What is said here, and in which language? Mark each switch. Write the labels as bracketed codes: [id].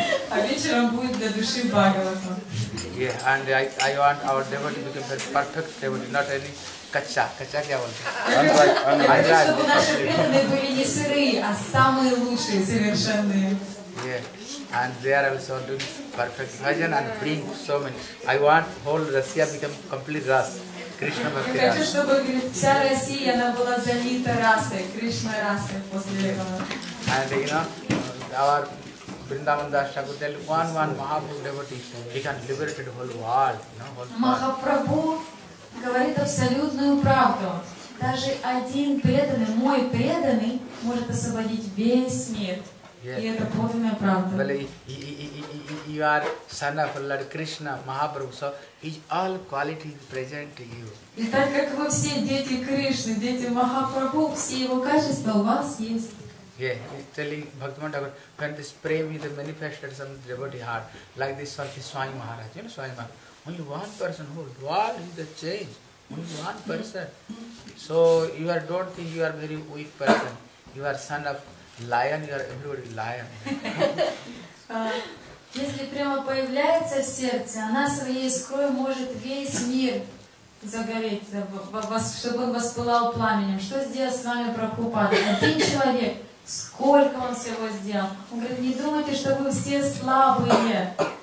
[ru] А вечером будет для души Бхагавата. [en] Yeah, and I want our devotee to become perfect devotee, not any kacha. [hi] Kacha kya bolte? [ru] Чтобы наши преданные были не сырые, а самые лучшие, совершенные. [en] Yeah, and they are also doing perfect bhajan and bring so many. I want whole Russia become complete ras. Krishna bhakti. [ru] Я хочу, чтобы вся Россия она была залита расой, Кришна расой после этого. [en] And you know, our Vrindavan Das Thakur tell one Mahaprabhu devotee, he can liberate the whole world. [ru] Махапрабху говорит абсолютную правду. Даже один преданный, мой преданный, может освободить весь мир. [en] Yes. [ru] И это полная правда. [en] You are son of Lord Krishna, Mahaprabhu, so his all qualities present to you. [ru] И так как вы все дети Кришны, дети Махапрабху, все его качества у вас есть. [en] Yeah, he's telling Bhagavan Thakur, when this prema is manifested in the devotee heart, like this one is Swami Maharaj, you know Swami Maharaj, only one person who, what is the change? Only one person. So you are, don't think you are very weak person, you are son of lion, you are everybody lion. [ru] Если према появляется в сердце, она своей искрой может весь мир загореть, чтобы он воспылал пламенем. Что сделал с вами Прабхупада? Один человек, сколько он всего сделал? Он говорит, не думайте, что вы все слабые.